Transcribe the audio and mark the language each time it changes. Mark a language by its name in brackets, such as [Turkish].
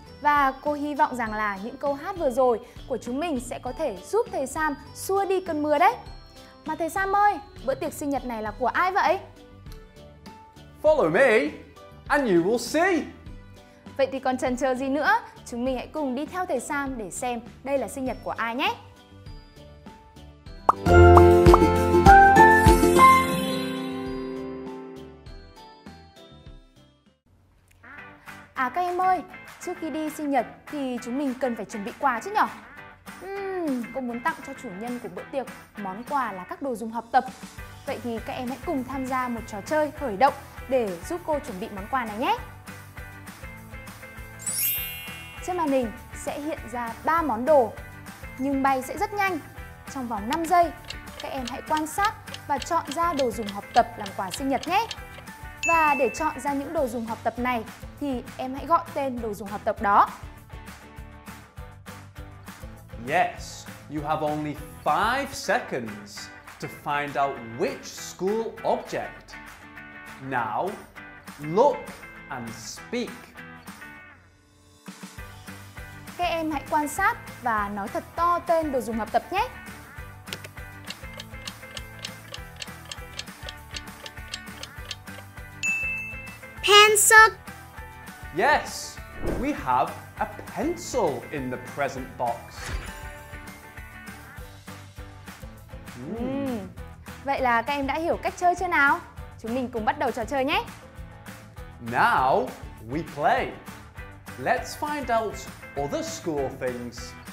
[Vietnamese] Và cô hy vọng rằng là những câu hát vừa rồi của chúng mình sẽ có thể giúp thầy Sam xua đi cơn mưa đấy. Mà thầy Sam ơi, bữa tiệc sinh nhật này là của ai vậy? [English] Follow me and you will see. [Vietnamese] Vậy thì còn chần chờ gì nữa, chúng mình hãy cùng đi theo thầy Sam để xem đây là sinh nhật của ai nhé. À các em ơi, trước khi đi sinh nhật thì chúng mình cần phải chuẩn bị quà chứ nhở? Cô muốn tặng cho chủ nhân của bữa tiệc món quà là các đồ dùng học tập. Vậy thì các em hãy cùng tham gia một trò chơi khởi động để giúp cô chuẩn bị món quà này nhé. Trên màn hình sẽ hiện ra 3 món đồ, nhưng bay sẽ rất nhanh. Trong vòng 5 giây, các em hãy quan sát và chọn ra đồ dùng học tập làm quà sinh nhật nhé. Và để chọn ra những đồ dùng học tập này thì em hãy gọi tên đồ dùng học tập đó. [English] Yes, you have only 5 seconds to find out which school object. Now, look and speak. [Vietnamese] Các em hãy quan sát và nói thật to tên đồ dùng học tập nhé. [English] Pencil. Yes, we have a pencil in the present box. [Vietnamese] Vậy là các em đã hiểu cách chơi chưa nào? Chúng mình cùng bắt đầu trò chơi nhé. [English] Now we play. Let's find out other school things.